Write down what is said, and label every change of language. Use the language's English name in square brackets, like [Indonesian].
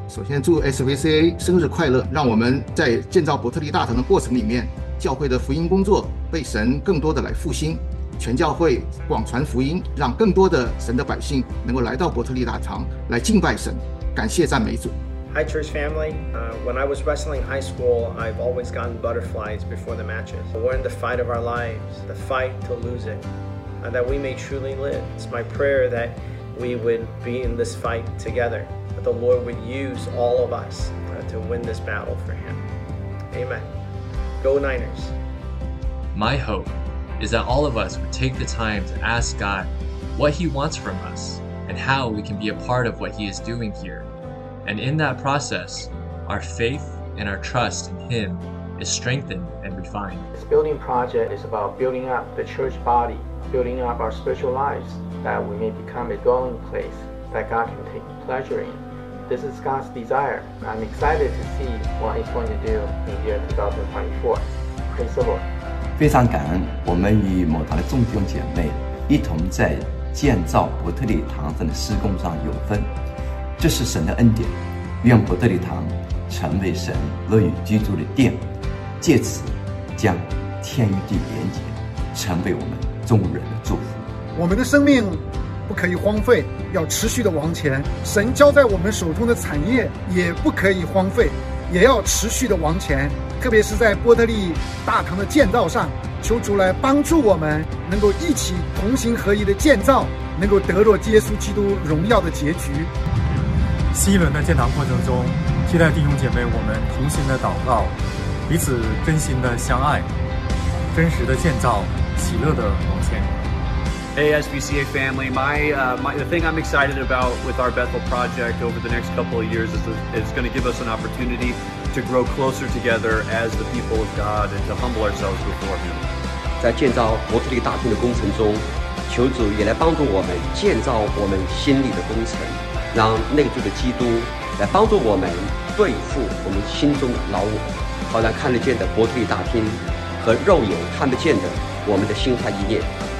[Chinese] 首先祝 SVCA 生日快乐，让我们在建造伯特利大堂的过程里面，教会的福音工作被神更多的来复兴，全教会广传福音，让更多的神的百姓能够来到伯特利大堂来敬拜神，感谢赞美主。 [English] Hi, church family. When I was wrestling high school, I've always gotten butterflies before the matches. We're in the fight of our lives, the fight to lose it, that we may truly live. It's my prayer that we would be in this fight together, that the Lord would use all of us to win this battle for Him. Amen. Go Niners. My hope is that all of us would take the time to ask God what He wants from us and how we can be a part of what He is doing here. And in that process, our faith and our trust in Him is strengthened and refined. This building project is about building up the church body, building up our spiritual lives, that we may become a dwelling place that God can take pleasure in. This is God's desire. I'm excited to see what He's going to do in the year 2024. Praise the Lord. [Chinese] 非常感恩我们与某堂的众弟兄姐妹一同在建造伯特利堂的施工上有份。这是神的恩典，愿伯特利堂成为神乐意居住的殿，借此将天与地连结，成为我们众人的祝福。我们的生命不可以荒废，要持续的往前，神交在我们手中的产业也不可以荒废，也要持续的往前，特别是在伯特利大堂的建造上，求主来帮助我们能够一起同心合意的建造，能够得着耶稣基督荣耀的结局。 C 轮的建堂过程中，期待弟兄姐妹我们同心的祷告，彼此真心的相爱，真实的建造，喜乐的往前。 [English] Hey SBCA family, the thing I'm excited about with our Bethel project over the next couple of years is going to give us an opportunity to grow closer together as the people of God and to humble ourselves before Him. [Chinese] 在建造伯特利大厅的工程中，求主也来帮助我们建造我们心里的工程，让内住的基督来帮助我们对付我们心中的老我，好让看得见的伯特利大厅和肉眼看不见的我们的心怀意念。